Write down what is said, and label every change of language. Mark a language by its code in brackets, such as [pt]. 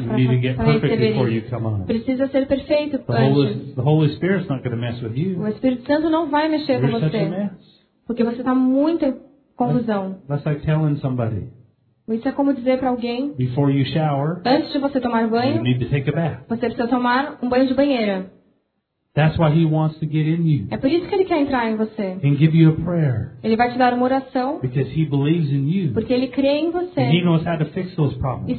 [en] You need to get perfect before you come on. [pt] Precisa ser perfeito antes. [en] The Holy Spirit's not going to mess with you. [pt] O Espírito Santo não vai mexer com você. Porque você está muita confusão. [en] That's like telling somebody. [pt] Isso é como dizer para alguém, [en] before you shower, [pt] antes de você tomar banho, [en] you need to take a bath. [pt] Você precisa tomar banho de banheira. [en] That's why he wants to get in you. [pt] É por isso que ele quer entrar em você. [en] And give you a prayer. [pt] Ele vai te dar uma oração. [en] Because he believes in you. [pt] Porque ele crê em você. [en] And he knows how to fix those problems.